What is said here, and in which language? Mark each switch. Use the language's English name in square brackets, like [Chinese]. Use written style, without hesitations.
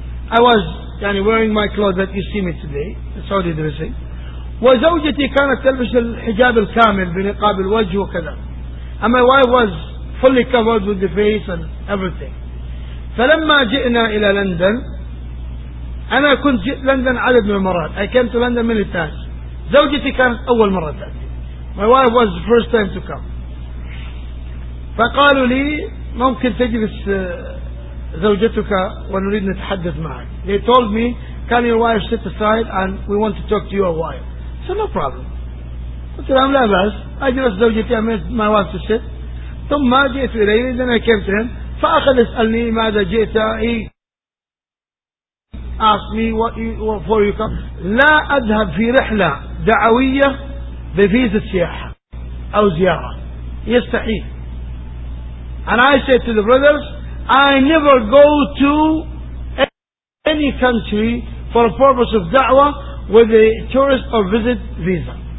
[English] I was يعني wearing my clothes that you see me today, Saudi dressing. [Arabic] وزوجتي كانت تلبس الحجاب الكامل بنقاب الوجه وكذا. [English] And my wife was fully covered with the face and everything. [Arabic] فلما جئنا إلى لندن، أنا كنت جئت لندن عدد من المرات. [English] I came to London many times. [Arabic] زوجتي كانت أول مرة تأتي. [English] My wife was the first time to come. [Arabic] فقالوا لي ممكن تجلس زوجتك ونريد نتحدث معك. [English] They told me, can your wife sit aside and we want to talk to your wife. So no problem. [Arabic] قلت لهم لا بأس. [English] I just زوجتي, I made my wife to sit. [Arabic] ثم جئت إليه. [English] Then I came to him. [Arabic] فأخذ يسألني ماذا جئت. [English] He asked me what for you come. [Arabic] لا أذهب في رحلة دعوية بفيزة سياحة أو زيارة, يستحيل. [English] And I said to the brothers, I never go to any country for a purpose of da'wah with a tourist or visit visa.